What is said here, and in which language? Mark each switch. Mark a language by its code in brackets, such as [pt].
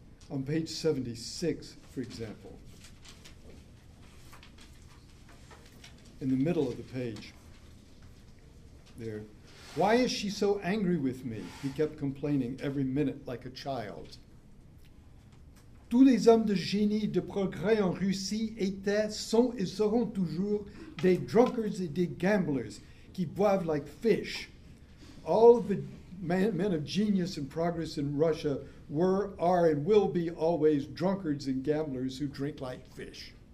[en] On page 76, for example, in the middle of the page, there, why is she so angry with me? He kept complaining every minute like a child. [fr] Tous les hommes de génie de progrès en Russie étaient, sont et seront toujours des drunkards et des gamblers. Qui boivent [en] like fish. All of the men of genius and progress in Russia were, are, and will be always drunkards and gamblers who drink like fish.